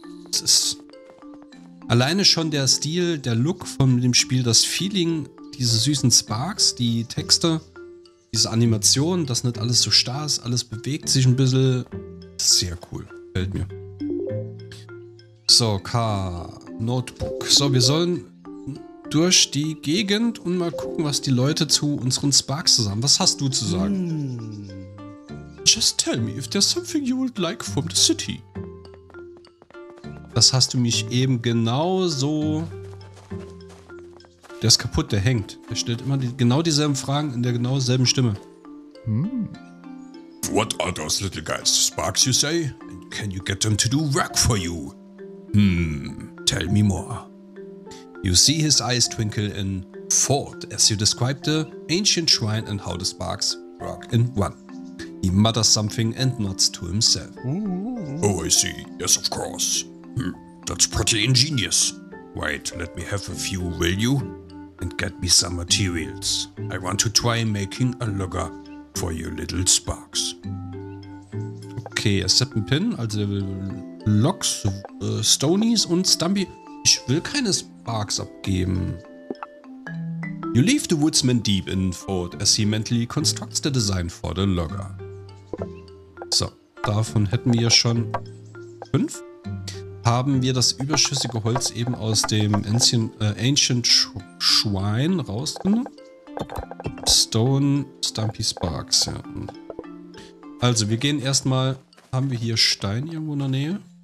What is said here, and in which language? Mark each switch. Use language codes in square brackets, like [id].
[de] Das ist alleine schon der Stil, der Look von dem Spiel, das Feeling, diese süßen Sparks, die Texte, diese Animation, dass nicht alles so starr ist, alles bewegt sich ein bisschen. Sehr cool, gefällt mir. So, K-Notebook. So, wir sollen durch die Gegend und mal gucken, was die Leute zu unseren Sparks sagen. Was hast du zu sagen? [en] Just tell me if there's something you would like from the city. [de] Das hast du mich eben genau so... Der ist kaputt, der hängt. Er stellt immer die, genau dieselben Fragen in der genau selben Stimme. [en] What are those little guys? Sparks, you say? And can you get them to do work for you? Tell me more. You see his eyes twinkle in thought as you describe the ancient shrine and how the sparks work in one. He mutters something and nods to himself. Ooh. Oh, I see. Yes, of course. That's pretty ingenious. Wait, let me have a few, will you? And get me some materials. I want to try making a lugger for your little sparks. Okay, accept and pin, also Logs, Stonies und Stumpy. [de] Ich will keine Sparks abgeben. [en] You leave the woodsman deep in thought as he mentally constructs the design for the logger. [de] So, davon hätten wir schon 5. Haben wir das überschüssige Holz eben aus dem Ancient Shrine rausgenommen? Stone Stumpy Sparks, ja. Also, wir gehen erstmal. Haben wir hier Stein irgendwo in der Nähe?